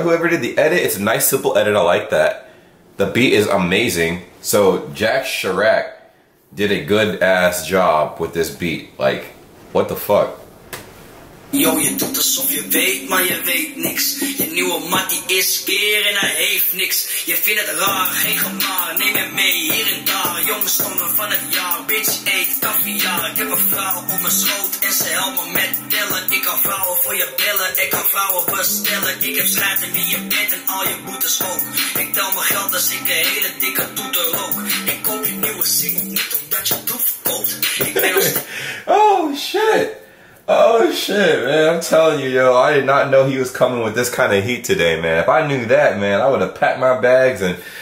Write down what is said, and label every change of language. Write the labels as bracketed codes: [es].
[en] Whoever did the edit, it's a nice, simple edit. I like that. The beat is amazing. So Jack Chirac did a good ass job with this beat. Like, what the fuck? [nl] Yo, je doet alsof je weet, maar je weet niks. Je nieuwe mattie is keer en hij heeft niks. Je vindt het raar, geen gemaar, neem je mee hier en daar. Jongens stonden van het jaar, bitch eet kaviaar. Ik heb een vrouw op mijn schoot en ze helpt me met tellen. Ik kan vrouwen voor je bellen, ik kan vrouwen bestellen. Ik heb schijt in wie je bent en al je boetes ook. Ik tel mijn geld als ik een hele dikke toeter rook. Ik koop je nieuwe single niet omdat je troef koopt. [en] Oh shit! Oh shit, man, I'm telling you, yo, I did not know he was coming with this kind of heat today, man. If I knew that, man, I would have packed my bags and...